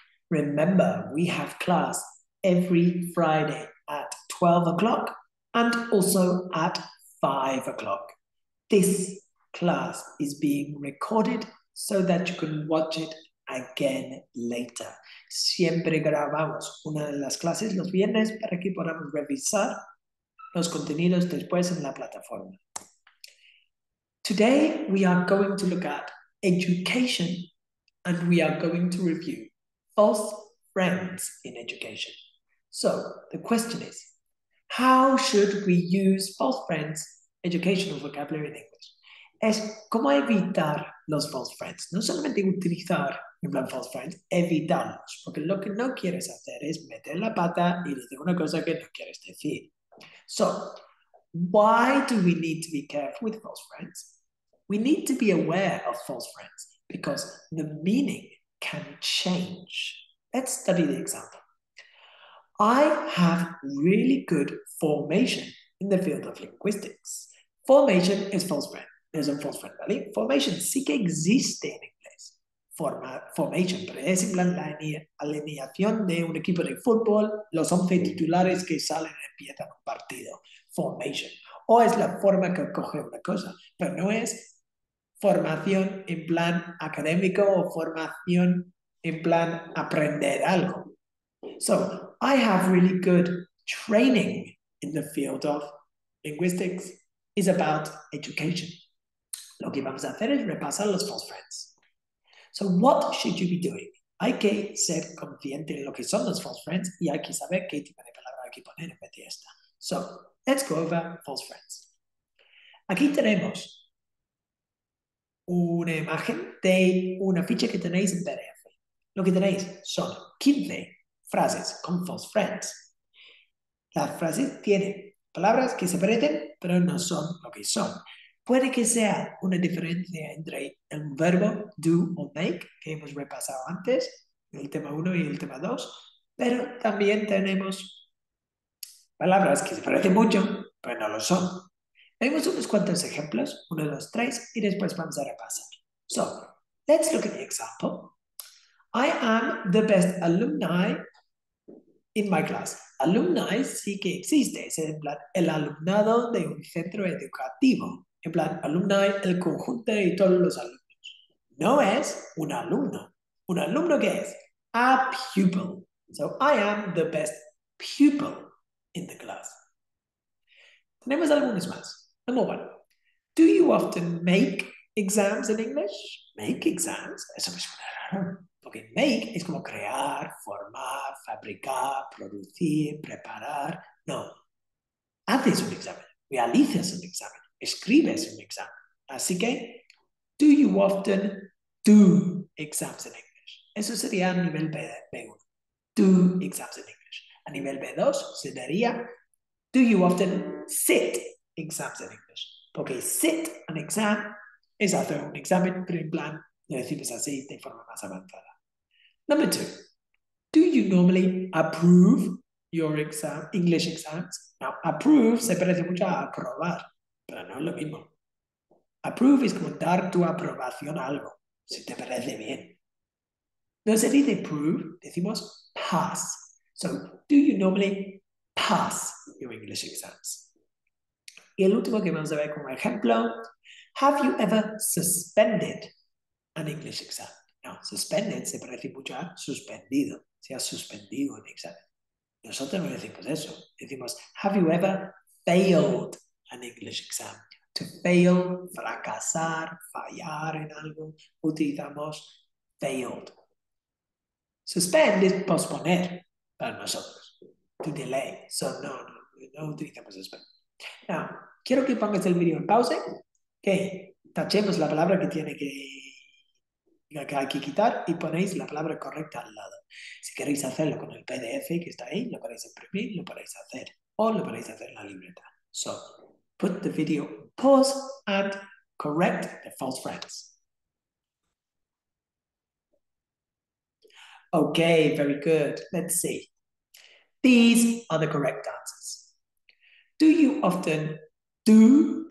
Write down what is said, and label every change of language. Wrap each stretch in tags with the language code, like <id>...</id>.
<en>Remember, we have class every Friday at 12 o'clock and also at 5 o'clock. This class is being recorded so that you can watch it again later.</en> <es>Siempre grabamos una de las clases los viernes para que podamos revisar los contenidos después en la plataforma.</es> <en>Today, we are going to look at education and we are going to review false friends in education. So, the question is, how should we use false friends educational vocabulary in English?</en> <es>Es cómo evitar los false friends. No solamente utilizar en plan false friends, evitarlos, porque lo que no quieres hacer es meter la pata y decir una cosa que no quieres decir.</es> <en>So, why do we need to be careful with false friends? We need to be aware of false friends because the meaning can change. Let's study the example. I have really good formation in the field of linguistics. Formation is false friend. There's a false friend, ¿vale? Formation</en> <es>sí que existe en inglés. Forma, formation, pero es simplemente la alineación de un equipo de fútbol, los 11 titulares que salen y empiezan un partido. Formation. O es la forma que coge una cosa, pero no es formación en plan académico o formación en plan aprender algo.</es> <en>So, I have really good training in the field of linguistics is about education.</en> <es>Lo que vamos a hacer es repasar los false friends.</es> <en>So, what should you be doing?</en> <es>Hay que ser consciente de lo que son los false friends y hay que saber qué tipo de palabra hay que poner en vez de esta. So, let's go over false friends. Aquí tenemos una imagen de una ficha que tenéis en PDF. Lo que tenéis son 15 frases con false friends. Las frases tienen palabras que se parecen, pero no son lo que son. Puede que sea una diferencia entre el verbo do o make, que hemos repasado antes, el tema 1 y el tema 2, pero también tenemos palabras que se parecen mucho, pero no lo son. Vemos unos cuantos ejemplos, 1, 2, 3, y después vamos a repasar.</es> <en>So, let's look at the example. I am the best alumni in my class.</en> <es>Alumni sí que existe, es en plan el alumnado de un centro educativo. En plan, alumni, el conjunto y todos los alumnos. No es un alumno. ¿Un alumno qué es?</es> <en>A pupil. So, I am the best pupil in the class.</en> <es>Tenemos algunos más.</es> <en>Number one, do you often make exams in English?</en> <es>Make exams? Eso me suena raro. Porque make es como crear, formar, fabricar, producir, preparar. No. Haces un examen. Realizas un examen. Escribes un examen. Así que,</es> <en>do you often do exams in English?</en> <es>Eso sería a nivel B1.</es> <en>Do exams in English.</en> <es>A nivel B2 sería,</es> <en>do you often sit exams in English.</en> <es>Porque sit an exam es hacer un examen, pero en plan, lo decimos así de forma más avanzada.</es> <en>Number two, do you normally approve your exam, English exams?</en> <es>Now, approve se parece mucho a aprobar, pero no es lo mismo. Approve es como dar tu aprobación a algo, si te parece bien. No se dice approve, decimos pass.</es> <en>So, do you normally pass your English exams?</en> <es>Y el último que vamos a ver como ejemplo,</es> <en>have you ever suspended an English exam?</en> <es>No, suspended se parece mucho a suspendido, si has suspendido un examen. Nosotros no decimos eso, decimos,</es> <en>have you ever failed an English exam?</en> <es>To fail, fracasar, fallar en algo, utilizamos failed. Suspend es posponer para nosotros, to delay. So no utilizamos suspend. Now, quiero que pongas el video en pausa, que tachemos la palabra que tiene que hay que quitar y ponéis la palabra correcta al lado. Si queréis hacerlo con el PDF que está ahí, lo podéis imprimir, lo podéis hacer o lo podéis hacer en la libreta.</es> <en>So, put the video pause and correct the false friends. Okay, very good. Let's see. These are the correct answers. Do you often do</en>